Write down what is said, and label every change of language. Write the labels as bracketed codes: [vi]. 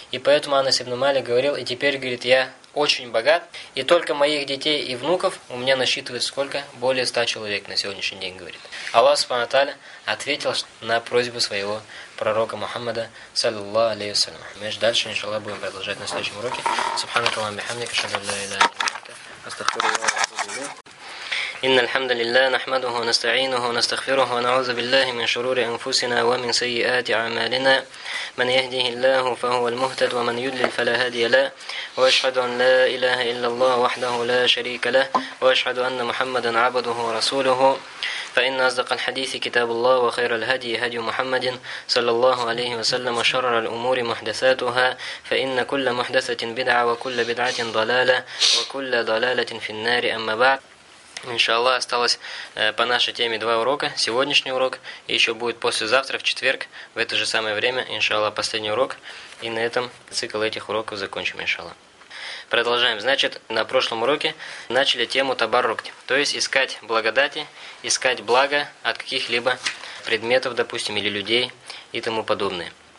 [ru] И поэтому Анас ибн Малик говорил, и теперь, говорит, я очень богат, и только моих детей и внуков у меня насчитывается сколько? Более 100 человек на сегодняшний день, говорит. Аллах субхана ва тааля ответил на просьбу своего пророка Мухаммада, саллаллаху алейхи ва саллям. Мы же дальше, иншаллах, будем продолжать на следующем уроке. [ar] Субханака ва бихамдика, ашхаду ан ла илаха илля анта, астагфируха ва атубу илейк. إن الحمد لله نحمده ونستعينه ونستغفره ونعوذ بالله من شرور أنفسنا ومن سيئات أعمالنا من يهده الله فهو المهتد ومن يضلل فلا هادي له وأشهد أن لا إله إلا الله وحده لا شريك له وأشهد أن محمدا عبده ورسوله فإن أصدق الحديث كتاب الله وخير الهدي هدي محمد صلى الله عليه وسلم وشر الأمور محدثاتها فإن كل محدثة بدعة وكل بدعة ضلالة وكل ضلالة في النار أما بعد. [ru] Иншаллах, осталось по нашей теме два урока. Сегодняшний урок и еще будет послезавтра, в четверг, в это же самое время, иншаллах, последний урок. И на этом цикл этих уроков закончим, иншаллах. Продолжаем. Значит, на прошлом уроке начали тему табаррук, то есть искать благодати, искать благо от каких-либо предметов, допустим, или людей и тому подобное.